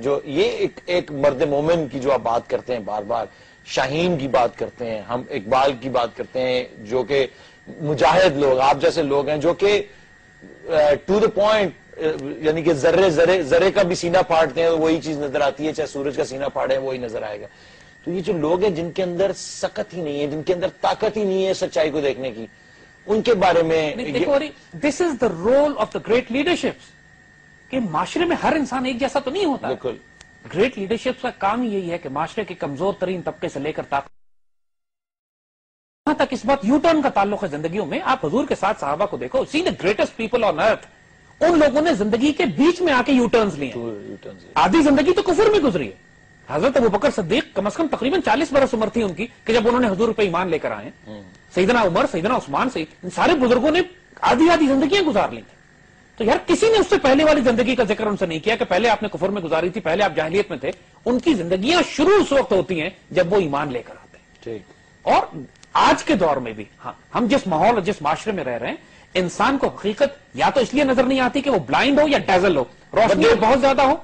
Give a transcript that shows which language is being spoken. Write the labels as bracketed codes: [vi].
[ur] جو یہ ایک مرد مومن کی جو آپ بات کرتے ہیں بار بار, شاہین کی بات کرتے ہیں ہم, اقبال کی بات کرتے ہیں جو کہ مجاہد لوگ, آپ جیسے لوگ ہیں جو کہ ٹو دا پوائنٹ, یعنی کہ ذرے ذرے ذرے کا بھی سینہ پھاڑتے ہیں وہی چیز نظر آتی ہے, چاہے سورج کا سینہ پھاڑے وہی نظر آئے گا. تو یہ جو لوگ ہیں جن کے اندر سکت ہی نہیں ہے, جن کے اندر طاقت ہی نہیں ہے سچائی کو دیکھنے کی, ان کے بارے میں [en] This is the role of the great leadership. [ur] کہ معاشرے میں ہر انسان ایک جیسا تو نہیں ہوتا. بالکل, گریٹ لیڈرشپ کا کام یہی ہے کہ معاشرے کے کمزور ترین طبقے سے لے کر طاقت تک, اس بات یو ٹرن کا تعلق ہے زندگیوں میں. آپ حضور کے ساتھ صحابہ کو دیکھو, [en] see the greatest people on earth, [ur] ان لوگوں نے زندگی کے بیچ میں آ کے یو ٹرنز لیے. آدھی زندگی تو کفر میں گزری ہے. حضرت ابوبکر صدیق کم از کم تقریباً 40 برس عمر تھی ان کی کہ جب انہوں نے حضور پہ ایمان لے کر آئے. سیدنا عمر, سیدنا عثمان, ان سارے بزرگوں نے آدھی آدھی زندگیاں گزار لی تھی. تو یار کسی نے اس سے پہلے والی زندگی کا ذکر ان سے نہیں کیا کہ پہلے آپ نے کفر میں گزاری تھی, پہلے آپ جاہلیت میں تھے. ان کی زندگیاں شروع اس وقت ہوتی ہیں جب وہ ایمان لے کر آتے ہیں. اور آج کے دور میں بھی ہم جس ماحول اور جس معاشرے میں رہ رہے ہیں, انسان کو حقیقت یا تو اس لیے نظر نہیں آتی کہ وہ بلائنڈ ہو یا ڈیزل ہو, روشنی بہت زیادہ ہو.